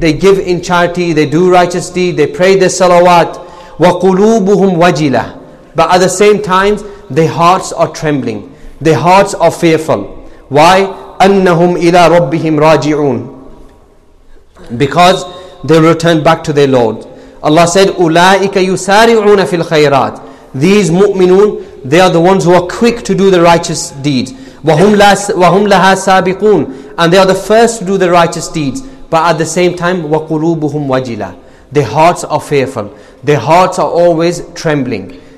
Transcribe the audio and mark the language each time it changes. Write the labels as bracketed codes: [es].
[en] They give in charity, they do righteous deed, they pray the salawat. [ar] وَقُلُوبُهُمْ وَجِلَةً. [en] But at the same time, their hearts are trembling. Their hearts are fearful. Why? [ar] أَنَّهُمْ إِلَىٰ رَبِّهِمْ رَاجِعُونَ. [en] Because they return back to their Lord. Allah said, [ar] أُولَٰئِكَ يُسَارِعُونَ فِي الْخَيْرَاتِ. [en] These mu'minun, they are the ones who are quick to do the righteous deeds. [ar] وَهُمْ لَهَا سَابِقُونَ. [en] And they are the first to do the righteous deeds. But at the same time, [ar] وَقُلُوبُهُمْ وَجِلَةً. [en] Their hearts are fearful. Their hearts are always trembling.